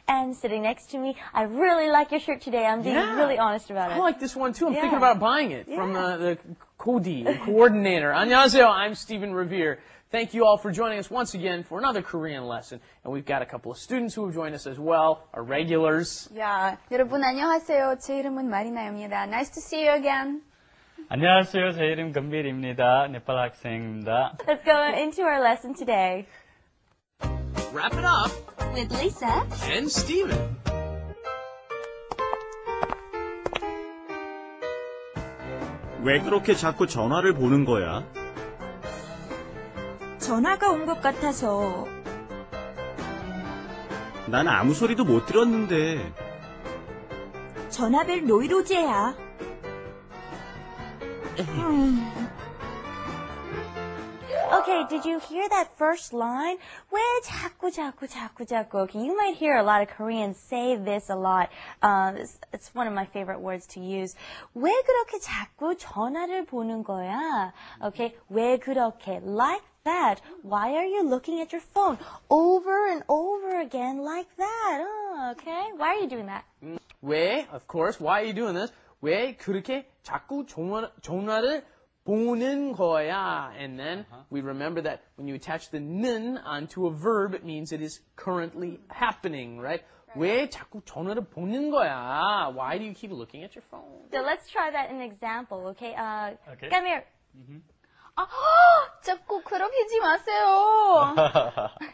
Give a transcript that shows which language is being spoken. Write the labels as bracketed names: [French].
[English] And sitting next to me, I really like your shirt today. I'm being really honest about it. I like this one too. I'm thinking about buying it from the Cody, the coordinator. [Korean] 안녕하세요. [English] I'm Stephen Revere. Thank you all for joining us once again for another Korean lesson. And we've got a couple of students who have joined us as well, our regulars. Yeah. [Korean] 여러분, 안녕하세요. 제 이름은 마리나입니다. [English] Nice to see you again. [Korean] 안녕하세요. 제 이름 금빌입니다. 네팔 학생입니다. [English] Let's go into our lesson today. Wrap it up with Lisa and Steven. Why [Korean] 그렇게 자꾸 전화를 보는 거야? 전화가 온 것 같아서. 난 아무 소리도 못 들었는데. 전화벨 노이로제야. [English] Okay, did you hear that first line? [Korean] 왜 자꾸 자꾸 자꾸 자꾸? [English] Okay, you might hear a lot of Koreans say this a lot. It's one of my favorite words to use. [Korean] 왜 그렇게 자꾸 전화를 보는 거야? [English] Okay, [Korean] 왜 그렇게? [English] Like that. Why are you looking at your phone over and over again like that? Okay, why are you doing that? [Korean] 왜? [English] Of course, why are you doing this? [Korean] 왜 그렇게 자꾸 전화를 보는 거야? [English] And then we remember that when you attach the 는 onto a verb, it means it is currently happening, right? [Korean] 왜 자꾸 전화를 보는 거야? [English] Why do you keep looking at your phone? So let's try that in an example, okay? Okay. Come here. Mm-hmm. [Korean] 자꾸 그렇게 하지 마세요.